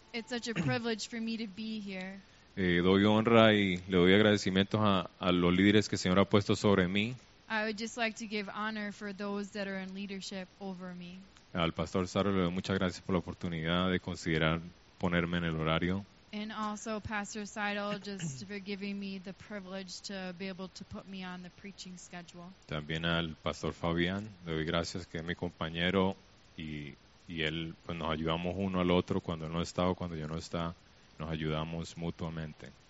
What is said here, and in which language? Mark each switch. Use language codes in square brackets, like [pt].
[en] It's such a privilege for me to be here. [es] Doy honra y le doy agradecimientos a los líderes que el Señor ha puesto sobre mí. [en] I would just like to give honor for those that are in leadership over me. [es] Al pastor Saro le doy muchas gracias por la oportunidad de considerar ponerme en el horario. [en] And also Pastor Seidel, just for giving me the privilege to be able to put me on the preaching schedule. [es] También al Pastor Fabián, le doy gracias que es mi compañero y él, pues nos ayudamos uno al otro cuando él no está o cuando yo no está, nos ayudamos mutuamente.